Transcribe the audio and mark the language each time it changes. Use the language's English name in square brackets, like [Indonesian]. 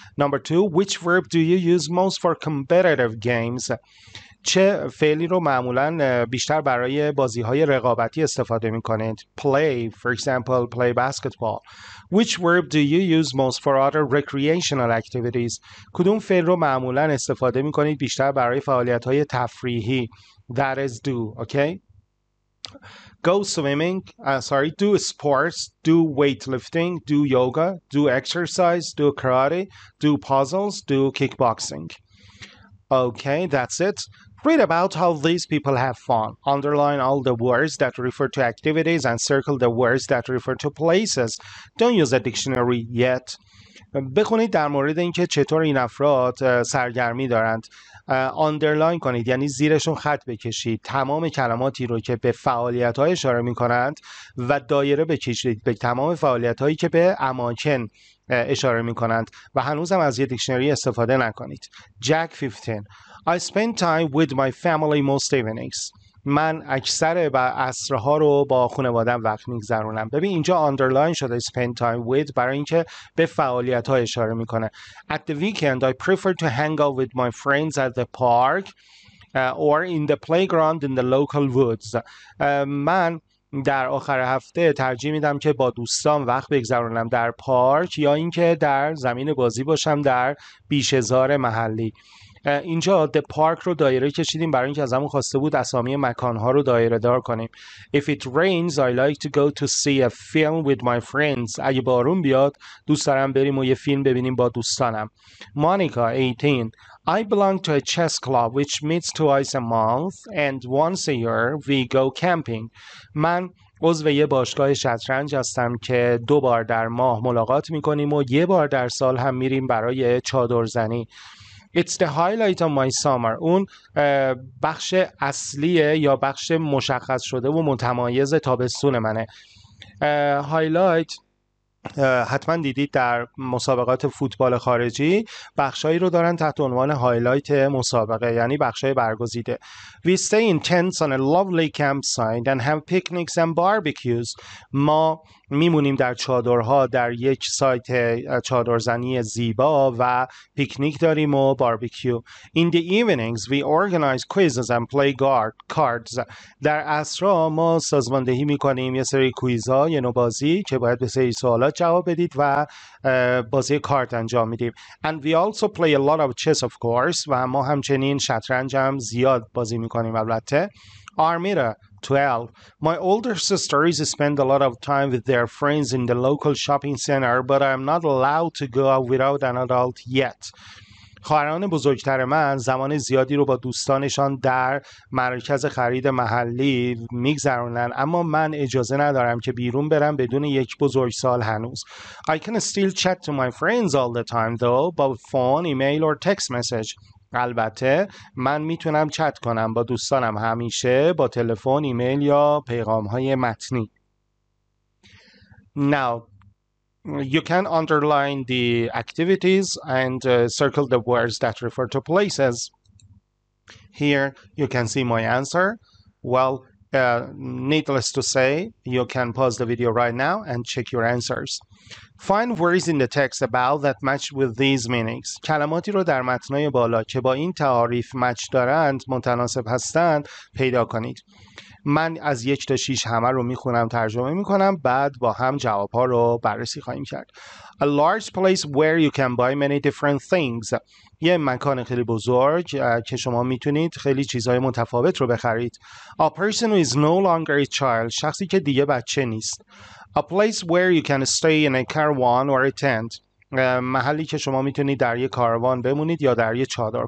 [English] Number 2, which verb do you use most for competitive games? [Persian] چه فعلی رو معمولا بیشتر برای بازی های رقابتی استفاده می کنید؟ [English] Play, for example, play basketball. Which verb do you use most for other recreational activities? [Persian] کدوم فعل رو معمولا استفاده می کنید بیشتر برای فعالیت های تفریحی؟ [English] That is do, okay? Go swimming, do sports, do weightlifting, do yoga, do exercise, do karate, do puzzles, do kickboxing. Okay, that's it. Read about how these people have fun. Underline all the words that refer to activities and circle the words that refer to places. Don't use a dictionary yet. [Persian] بخونید در مورد اینکه چطور این افراد سرگرمی دارند. Underline کنید، یعنی زیرشون خط بکشید تمام کلماتی رو که به فعالیت‌ها اشاره می‌کنند و دایره بکشید به تمام فعالیت‌هایی که به اماکن اشاره می‌کنند و هنوزم از یه دیکشنری استفاده نکنید. [English] Jack 15. I spend time with my family most evenings. [Persian] من اکثر عصرها رو با خانواده‌ام وقت میگذرونم. ببین اینجا underline شده [English] spend time with [Persian] برای اینکه به فعالیت‌ها اشاره میکنه. [English] At the weekend I prefer to hang out with my friends at the park or in the playground in the local woods. [Persian] من در آخر هفته ترجیح میدم که با دوستان وقت بگذرونم در پارک یا اینکه در زمین بازی باشم در بیشهزار محلی. اینجا [English] the park [Persian] رو دایره کشیدیم برای اینکه از همون خواسته بود اسامی مکانها رو دایره دار کنیم. [English] If it rains I like to go to see a film with my friends. [Persian] اگه بارون بیاد دوست دارم بریم و یه فیلم ببینیم با دوستانم. مونیکا 18. [English] I belong to a chess club which meets twice a month and once a year we go camping. [Persian] من عضو یه باشگاه شطرنج هستم که دو بار در ماه ملاقات میکنیم و یه بار در سال هم میریم برای چادرزنی. [English] It's the highlight of my summer. [Persian] اون بخش اصلیه یا بخش مشخص شده و متمایز تابستون منه. Highlight حتما دیدید در مسابقات فوتبال خارجی بخشایی رو دارن تحت عنوان هایلایت مسابقه، یعنی بخشای برگزیده. [English] We stay in tents on a lovely campsite and have picnics and barbecues. [Persian] ما میمونیم در چادرها در یک سایت چادرزنی زیبا و پیکنیک داریم و باربیکیو. [English] In the evenings we organize quizzes and play cards. [Persian] در عصرها ما سازماندهی میکنیم یه سری کویزها، یه نوع بازی که باید به سری سوالات جواب بدید و بازی کارت انجام میدیم. [English] And we also play a lot of chess of course. [Persian] و ما همچنین شطرنج هم زیاد بازی میکنیم البته. [English] Armira 12. My older sisters spend a lot of time with their friends in the local shopping center, but I'm not allowed to go out without an adult yet. [Persian] خواهران بزرگتر من زمان زیادی رو با دوستانشان در مرکز خرید محلی میگذرونن، اما من اجازه ندارم که بیرون برم بدون یک بزرگسال هنوز. [English] I can still chat to my friends all the time though, by phone, email or text message. [Persian] البته من میتونم چت کنم با دوستانم همیشه با تلفن، ایمیل یا پیغام‌های متنی. [English] Now you can underline the activities and circle the words that refer to places. Here you can see my answer. Well, needless to say, you can pause the video right now and check your answers. Find words in the text above that match with these meanings. [Persian] کلماتی رو در متنای بالا که با این تعاریف مچ دارند، متناسب هستند، پیدا کنید. من از یک تا شیش همه رو میخونم، ترجمه میکنم، بعد با هم جوابها رو بررسی خواهیم کرد. [English] A large place where you can buy many different things. [Persian] یه مکان خیلی بزرگ که شما میتونید خیلی چیزهای متفاوت رو بخرید. [English] A person who is no longer a child. [Persian] شخصی که دیگه بچه نیست. [English] A place where you can stay in a caravan or a tent. [Persian] محلی که شما میتونید در یه کاروان بمونید یا در یه چادر.